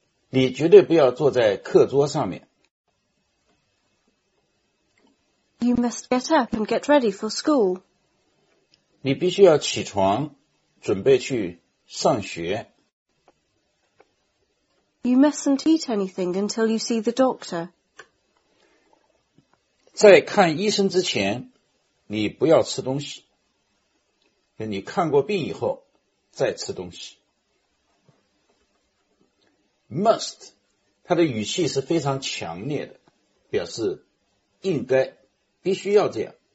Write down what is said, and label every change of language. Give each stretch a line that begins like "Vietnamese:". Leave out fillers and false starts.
Chinese: 你绝对不要坐在课桌上面
English: You must get up and get ready for school.
Chinese: 你必须要起床，准备去上学。
English: You mustn't eat anything until you see the doctor.
Chinese: 在看医生之前，你不要吃东西。你看过病以后，再吃东西。 Must， 它的语气是非常强烈的，表示应该。必须要这样。